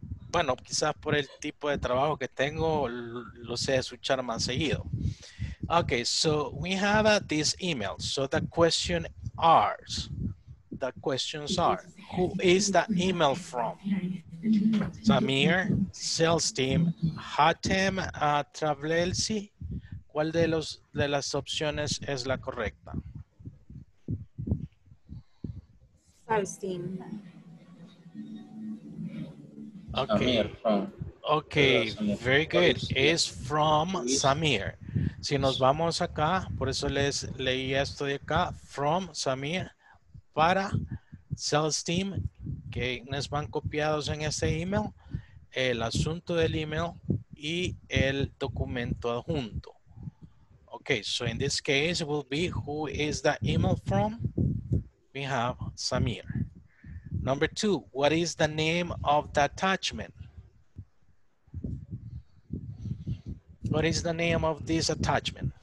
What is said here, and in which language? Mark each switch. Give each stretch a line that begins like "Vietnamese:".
Spanish: Bueno, quizás por el tipo de trabajo que tengo, lo sé escuchar más seguido.
English: Okay, so we have this email. So the question are, the questions are, who is the email from? Samir, sales team, Hatem, Travelsi.
Spanish: ¿Cuál de los de las opciones es la correcta?
English: Sales team. Okay. Okay, very good. Is from Samir.
Spanish: Si nos vamos acá, por eso les leí esto de acá,
English: from Samir
Spanish: para sales team, que nos van copiados en este email, el asunto del email y el documento adjunto.
English: Okay, so in this case it will be who is the email from? We have Samir. Number two, what is the name of the attachment? What is the name of this attachment?